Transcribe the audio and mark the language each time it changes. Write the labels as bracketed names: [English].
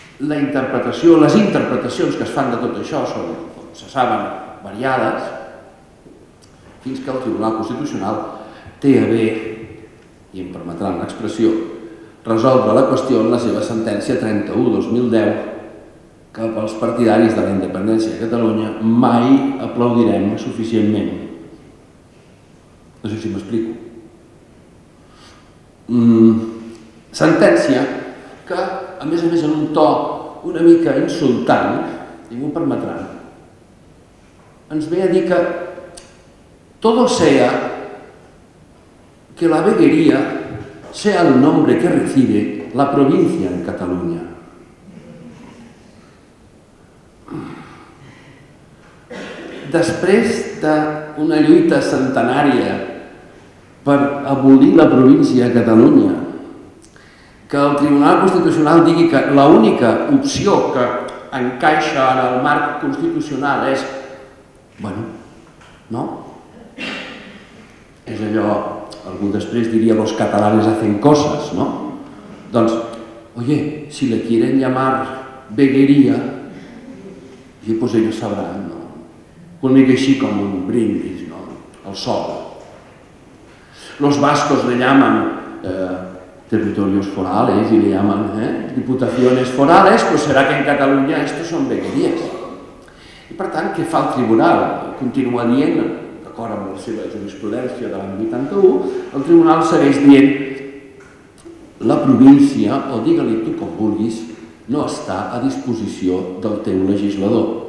[Catalan] La interpretació, les interpretacions que es fan de tot això són, com se saben, variades, fins que el Tribunal Constitucional té a bé, i em permetran l'expressió, resoldre la qüestió en la seva sentència 31/2010 que pels partidaris de la independència de Catalunya mai aplaudirem suficientment. No sé si m'explico. Sentència que, a més en un to una mica insultant, i m'ho permetran, ens ve a dir que [Spanish] todo sea que la veguería sea el nombre que recibe la provincia en Cataluña. [Catalan] Després d'una lluita centenària per abolir la província a Catalunya, que el Tribunal Constitucional digui que l'única opció que encaixa en el marc constitucional és... Bueno, no? És allò, algú després diria, [Spanish] los catalanes hacen cosas, [Catalan] no? [Spanish] Doncs, oye, si le quieren llamar veguería, i pues ellos sabran, no? [Catalan] Un mica així com un brindis, no? El sol. [Spanish] Los vascos le llaman territorios forales y le llaman diputaciones forales, pues será que en Cataluña esto son veguerías. [Catalan] I per tant, què fa el tribunal? Continua dient, d'acord amb la seva jurisprudència de l'any 81, el tribunal segueix dient la província, o digue-li tu com vulguis, no està a disposició del teu legislador.